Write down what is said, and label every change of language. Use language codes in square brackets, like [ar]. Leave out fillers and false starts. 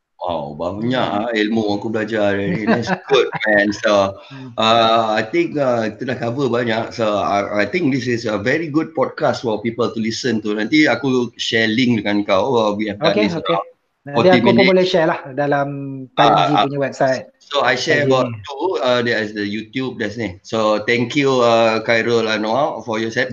[ms] Wow, banyak ilmu aku belajar. [en] That's good, man. So, I think [ms] kita dah cover banyak. [en] So, I think this is a very good podcast for people to listen to. [ms] Nanti aku share link dengan kau. [en] We have done this about 40 minutes. [ms] Nanti aku pun boleh share lah dalam Panji punya website. [en] So, I share about two. There is the YouTube. That's [ms] ni. [en] So, thank you, Khairul Anwar, for your set.